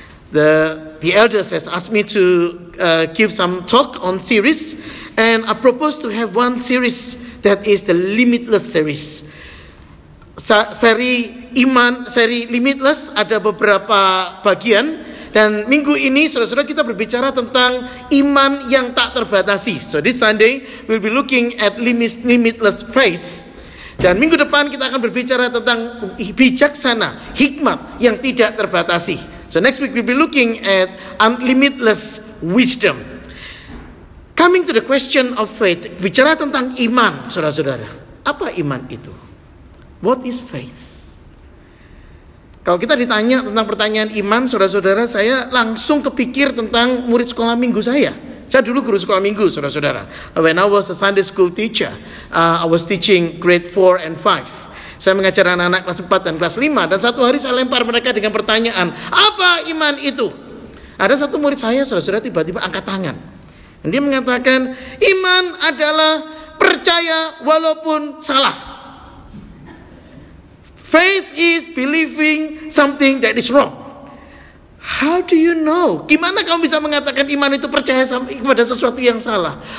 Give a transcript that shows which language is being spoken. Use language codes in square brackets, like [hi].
[en] The elders has asked me to give some talk on series, and I propose to have one series that is the Limitless series. Seri iman, seri Limitless ada beberapa bagian, dan minggu ini saudara-saudara kita berbicara tentang iman yang tak terbatasi. So this Sunday we'll be looking at limitless faith, [id] dan minggu depan kita akan berbicara tentang bijaksana, hikmat yang tidak terbatasi. [en] So next week we'll be looking at unlimited wisdom. Coming to the question of faith, [id] bicara tentang iman, saudara-saudara, apa iman itu? [en] What is faith? [id] Kalau kita ditanya tentang pertanyaan iman, saudara-saudara, saya langsung kepikir tentang murid sekolah minggu saya. Saya dulu guru sekolah minggu, saudara-saudara. [en] When I was a Sunday school teacher, I was teaching grade 4 and 5. [id] Saya mengajar anak-anak kelas 4 dan kelas 5. Dan satu hari saya lempar mereka dengan pertanyaan, apa iman itu? Ada satu murid saya, saudara-saudara, tiba-tiba angkat tangan. Dan dia mengatakan, iman adalah percaya walaupun salah. [en] Faith is believing something that is wrong. How do you know? [id] Gimana kamu bisa mengatakan iman itu percaya kepada sesuatu yang salah?